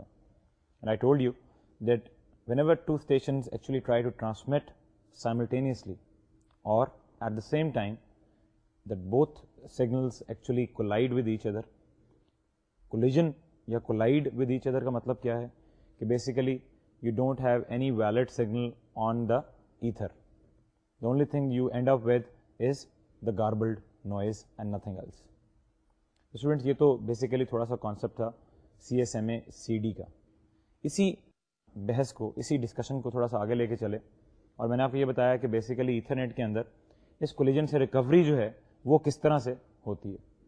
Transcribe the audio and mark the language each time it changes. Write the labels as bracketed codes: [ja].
[en] And I told you that whenever two stations actually try to transmit simultaneously or at the same time that both signals actually collide with each other. Collision یا collide with each other [ur] کا مطلب کیا ہے کہ [en] Basically you don't have any valid signal on the ether. The only thing you end up with is the garbled noise and nothing else. [ur] Students, یہ تو basically تھوڑا سا کانسیپٹ تھا سی ایس ایم اے سی ڈی کا. اسی بحث کو, اسی ڈسکشن کو تھوڑا سا آگے لے کے چلے اور میں نے آپ کو یہ بتایا کہ بیسیکلی ایتھرنیٹ کے اندر اس کولیجن سے ریکوری جو ہے وہ کس طرح سے ہوتی ہے.